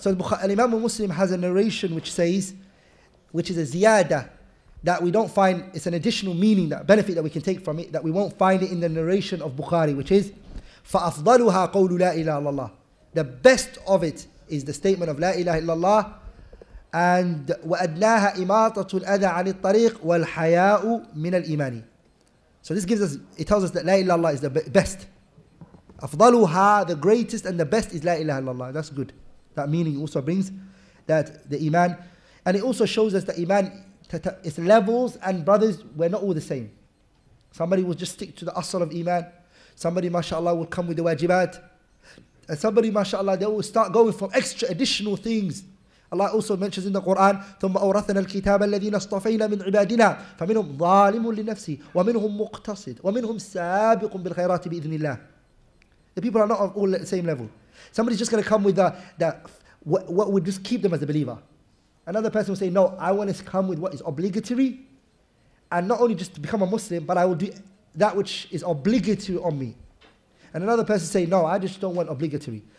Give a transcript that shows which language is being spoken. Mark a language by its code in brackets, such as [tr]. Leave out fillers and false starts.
[en] So Imam Muslim has a narration which says, which is a ziyada that we don't find. It's an additional meaning, that benefit that we can take from it, that we won't find it in the narration of Bukhari, which is [ar] فأفضلها قول لا إله إلا الله. [en] The best of it is the statement of [ar] لا إله إلا الله. [en] And [ar] وأدناها إماطة الأذى عن الطريق والحياء من الإيمان. [en] So this gives us, it tells us that [ar] لا إله إلا الله [en] is the best. أفضلها, the greatest and the best is لا إله إلا الله. That's good. That meaning also brings that the iman, and it also shows us that iman, its levels and brothers, we're not all the same. Somebody will just stick to the asal of iman. Somebody, mashallah, will come with the wajibat, and somebody, mashallah, they will start going from extra additional things. Allah also mentions in the Quran, [ar] ثم أورثنا الكتاب الذين اصطفينا من عبادنا فمنهم ظالم لنفسه ومنهم مقتصد ومنهم سابق بالخيرات بإذن الله. [en] The people are not of all at the same level. Somebody's just going to come with what would just keep them as a believer. Another person will say, no, I want to come with what is obligatory. And not only just to become a Muslim, but I will do that which is obligatory on me. And another person say, no, I just don't want obligatory.